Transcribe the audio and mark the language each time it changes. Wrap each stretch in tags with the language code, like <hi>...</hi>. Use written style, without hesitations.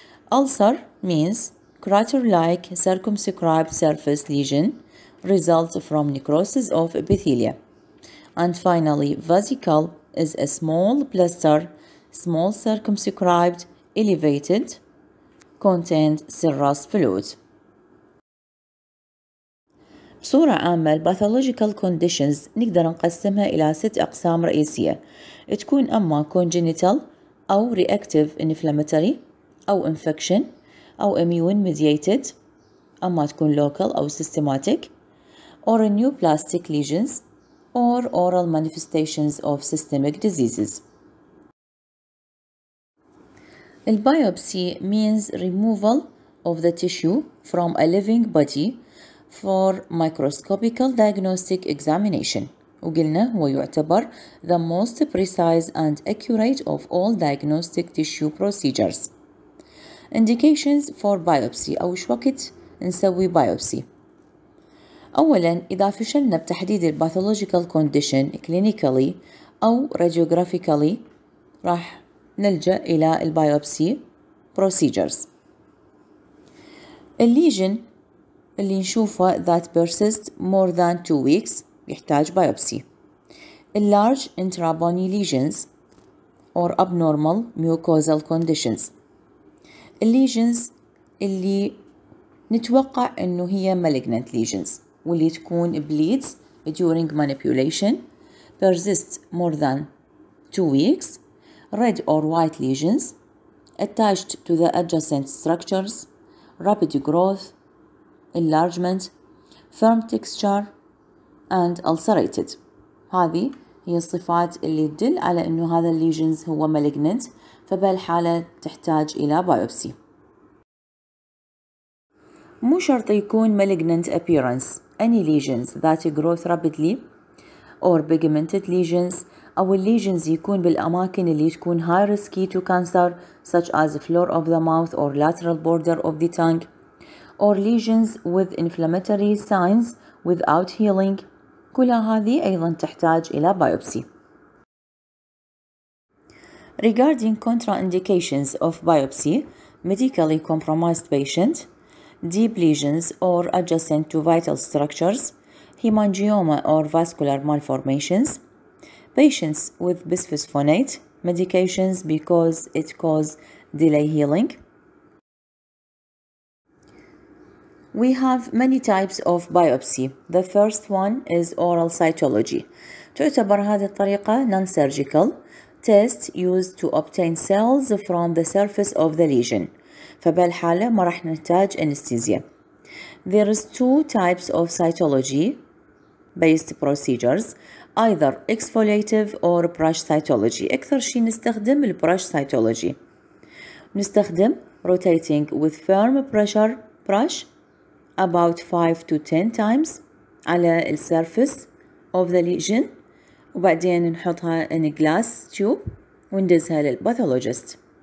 <en>Ulcer means crater-like circumscribed surface lesion result from necrosis of epithelia. And finally, vesicle is a small plaster, small circumscribed, elevated, contained serous fluid.</en> <ar>بصورة عامة</ar> <en>pathological conditions</en> <ar>نقدر نقسمها إلى ست أقسام رئيسية. تكون أما</ar> <en>congenital أو reactive inflammatory أو infection أو immune mediated،</en> <ar>أما تكون</ar> <en>local أو systematic، or neoplastic lesions or oral manifestations of systemic diseases. البيوبسي means removal of the tissue from a living body for microscopical diagnostic examination.</en> <ar>وقلنا هو يعتبر</ar> <en>the most precise and accurate of all diagnostic tissue procedures. Indications for biopsy</en> <ar>أو إيش وقت نسوي بيوبسي. أولا إذا فشلنا بتحديد الباثولوجيكال كونديشن كلينيكالي أو راديوغرافيكالي راح نلجأ إلى البيوبسي بروسيجرز. الليجن اللي نشوفه</ar> <en>that persists more than 2 weeks</en> <ar>يحتاج بيوبسي.</ar> <en>Large intrabony lesions or abnormal mucosal conditions.</en> <ar>الليجنز اللي نتوقع انه هي</ar> <en>malignant lesions</en> <ar>واللي تكون</ar> <en>bleeds during manipulation, persist more than 2 weeks, red or white lesions attached to the adjacent structures, rapid growth, enlargement, firm texture and ulcerated.</en> <ar>هذه هي الصفات اللي تدل على انه هذا الليجنز هو malignant, فبالحالة تحتاج الى بايوبسي. مو شرط يكون</ar> <en>malignant appearance, any lesions that grow rapidly or pigmented lesions,</en> <ar>او الليجنز يكون بالاماكن اللي تكون</ar> <en>high risky to cancer such as floor of the mouth or lateral border of the tongue, or lesions with inflammatory signs without healing,</en> <ar>كل هذه ايضا تحتاج الى بايوبسي.</ar> <en>Regarding contraindications of biopsy, medically compromised patient, deep lesions or adjacent to vital structures, hemangioma or vascular malformations, patients with bisphosphonate medications because it causes delay healing. We have many types of biopsy. The first one is oral cytology.</en> <ar>تعتبر هذه الطريقة</ar> <en>non-surgical test used to obtain cells from the surface of the lesion.</en> <ar>فبالحالة ما رح نحتاج anesthesia.</ar> <en>There is two types of cytology based procedures, either exfoliative or brush cytology.</en> <ar>أكثر شيء نستخدم البراش cytology.</ar> <en>نستخدم rotating with firm pressure brush about 5 to 10 times على ال surface of the lesion,</en> <ar>وبعدين نحطها</ar> <en>in a glass tube</en> <ar>وندزها للباثولوجيست.</ar>